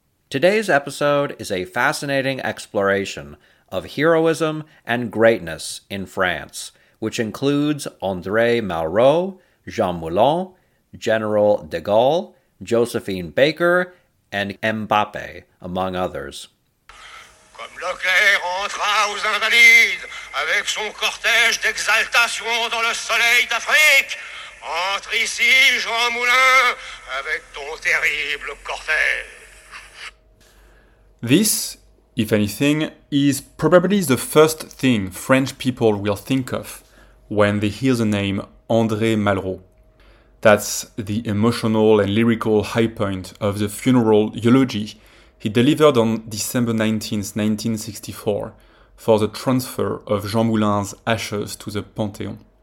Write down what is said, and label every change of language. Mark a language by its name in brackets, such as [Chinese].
[English] Today's episode is a fascinating exploration of heroism and greatness in France, which includes André Malraux, Jean Moulin, General de Gaulle, Josephine Baker, and Mbappé, among others. [French] Comme le Caire entra aux Invalides avec son cortège d'exaltation dans le soleil d'Afrique, entre ici, Jean Moulin, avec ton terrible cortège. [English] This, if anything, is probably the first thing French people will think of when they hear the name André Malraux. That's the emotional and lyrical high point of the funeral eulogy he delivered on December 19, 1964, for the transfer of Jean Moulin's ashes to the Panthéon.